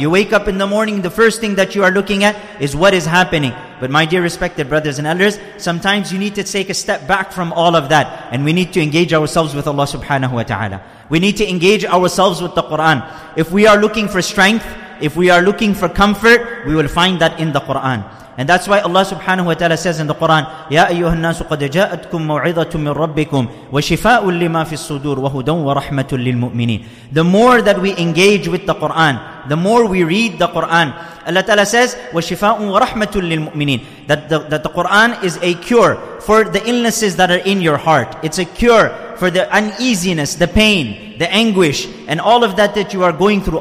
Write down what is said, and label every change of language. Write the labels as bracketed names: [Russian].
[English] You wake up in the morning, the first thing that you are looking at is what is happening. But my dear respected brothers and elders, sometimes you need to take a step back from all of that. And we need to engage ourselves with Allah subhanahu wa ta'ala. We need to engage ourselves with the Quran. If we are looking for strength, if we are looking for comfort, we will find that in the Quran. And that's why Allah subhanahu wa ta'ala says in the Quran, [Arabic] يَا أَيُّهَا النَّاسُ قَدْ جَاءَتْكُمْ مَوْعِظَةٌ مِّن رَبِّكُمْ وَشِفَاءٌ لِمَا فِي الصُّدُورِ وَهُدًى وَرَحْمَةٌ لِلْمُؤْمِنِينَ. [English] The more that we engage with the Quran, the more we read the Quran, Allah ta'ala says, [Arabic] وَشِفَاءٌ وَرَحْمَةٌ لِلْمُؤْمِنِينَ. [English] That the Quran is a cure for the illnesses that are in your heart. It's a cure for the uneasiness, the pain, the anguish, and all of that you are going through.